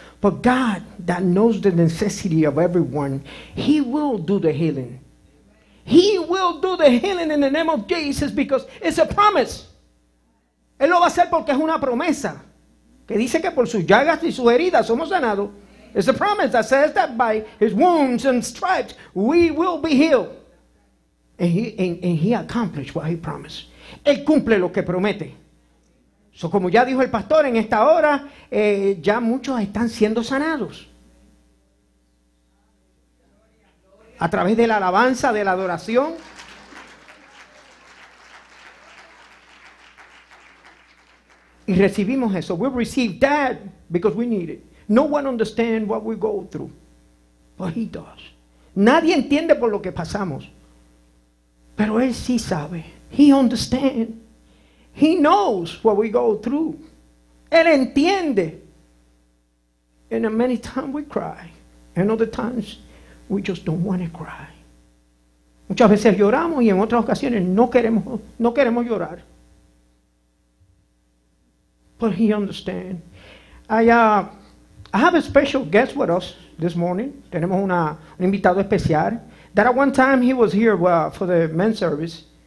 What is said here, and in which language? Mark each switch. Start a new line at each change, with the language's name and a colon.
English: But God, that knows the necessity of everyone, He will do the healing. He will do the healing in the name of Jesus because it's a promise.
Spanish: Él lo va a hacer porque es una promesa. Que dice que por sus llagas y sus heridas somos sanados.
English: It's a promise that says that by his wounds and stripes we will be healed. And he accomplished what he promised.
Spanish: Él cumple lo que promete. So, como ya dijo el pastor, en esta hora ya muchos están siendo sanados. A través de la alabanza, de la adoración. Y recibimos eso.
English: We receive that because we need it. No one understands what we go through. But he does.
Spanish: Nadie entiende por lo que pasamos. Pero él sí sabe.
English: He understands. He knows what we go through.
Spanish: Él entiende.
English: And many times we cry. And other times we just don't want to cry.
Spanish: Muchas veces lloramos y en otras ocasiones no queremos llorar.
English: But he understands. I have a special guest with us this morning.
Spanish: Tenemos un invitado especial.
English: That at one time he was here for the men's service.